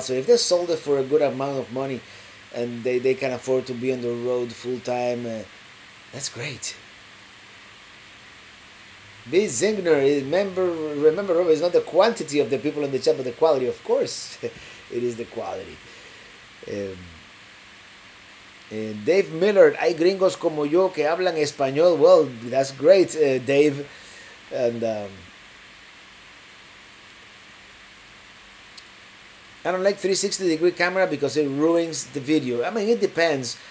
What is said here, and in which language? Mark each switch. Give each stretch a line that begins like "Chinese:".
English: So if they sold it for a good amount of money and they can afford to be on the road full time, that's great. B. Zingner, remember, Robert, it's not the quantity of the people in the chat, but the quality. Of course, it is the quality.
Spanish: Dave Miller, hay gringos como yo que hablan español.
English: Well, that's great, Dave. And I don't like 360-degree camera because it ruins the video. I mean, it depends.